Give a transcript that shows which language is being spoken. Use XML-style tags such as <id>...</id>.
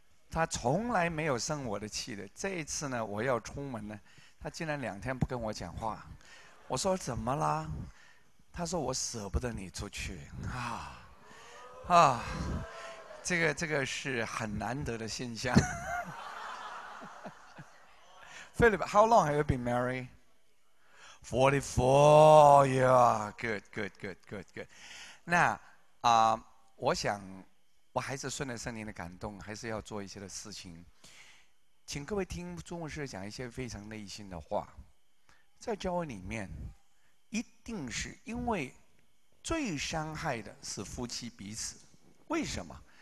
<zh>他从来没有生我的气的，这一次呢，我要出门呢。他竟然两天不跟我讲话，我说怎么啦？他说我舍不得你出去啊啊，这个是很难得的现象。</zh> <en>Philip, how long have you been married? 44 years. Good, good, good, good, good.</en> <zh>那啊、我想我还是顺着圣灵的感动，还是要做一些的事情。请各位听中牧师讲一些非常内心的话，在教会里面，一定是因为最伤害的是夫妻彼此。为什么？</zh>